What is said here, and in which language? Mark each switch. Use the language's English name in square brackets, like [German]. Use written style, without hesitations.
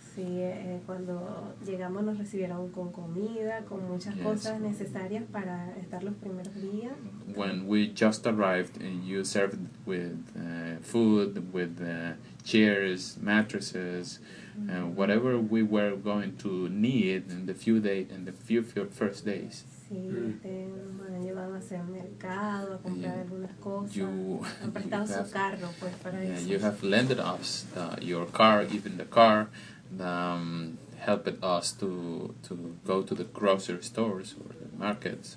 [Spanish] Sí, cuando llegamos nos recibieron con comida, con muchas cosas necesarias para estar los primeros días. [English] When we just arrived and you served with food, with chairs, mattresses, whatever we were going to need in the first days. [Spanish] Sí, me han llevado a hacer mercado, a comprar algunas cosas. [English] You have lent us your car, even the car. helped us to go to the grocery stores or the markets.